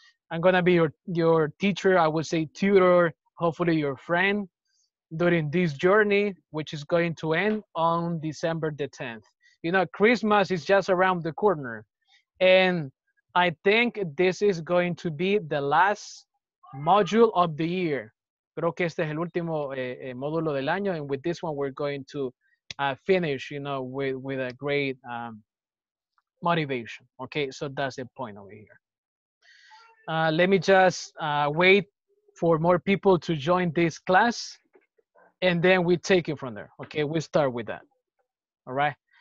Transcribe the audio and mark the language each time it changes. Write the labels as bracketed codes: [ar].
[en] I'm gonna be your teacher, I would say tutor, hopefully your friend during this journey, which is going to end on December the 10th. You know, Christmas is just around the corner. And I think this is going to be the last module of the year. [es] Creo que este es el último módulo del año. [en] And with this one, we're going to finish, you know, with a great motivation. Okay, so that's the point over here. Let me just wait for more people to join this class. And then we take it from there. Okay, we start with that. All right.